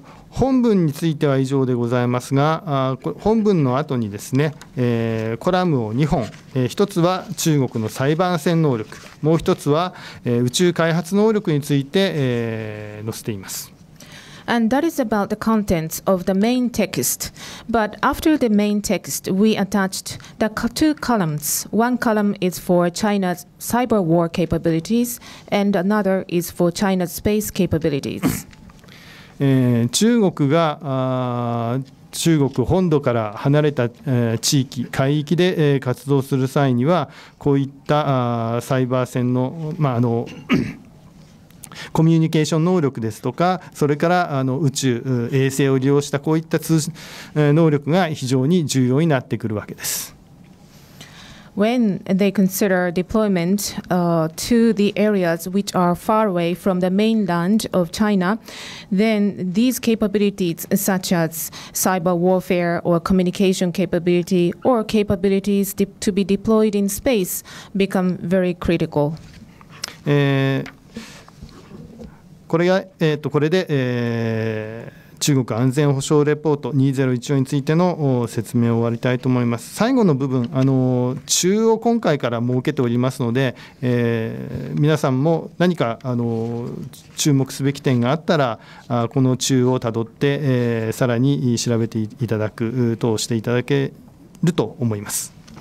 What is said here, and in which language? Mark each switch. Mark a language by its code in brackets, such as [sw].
[ja] 本文については以上でございますが、本文の後にですね、コラムを2本、一つは中国のサイバー戦能力、もう一つは、宇宙開発能力について、載せています。 [en] And that is about the contents of the main text. But after the main text, we attached the two columns. One column is for China's cyber war capabilities, and another is for China's space capabilities. [ja] 中国が中国本土から離れた地域海域で活動する際にはこういったサイバー戦の、まあ、あのコミュニケーション能力ですとかそれから宇宙衛星を利用したこういった通信能力が非常に重要になってくるわけです。 [en] When they consider deployment to the areas which are far away from the mainland of China, then these capabilities such as cyber warfare or communication capability or capabilities to be deployed in space become very critical. [ja] これで、中国安全保障レポート2014についての説明を終わりたいと思います。最後の部分中央今回から設けておりますので、皆さんも何か注目すべき点があったらこの中央をたどって、さらに調べていただくとしていただけると思います。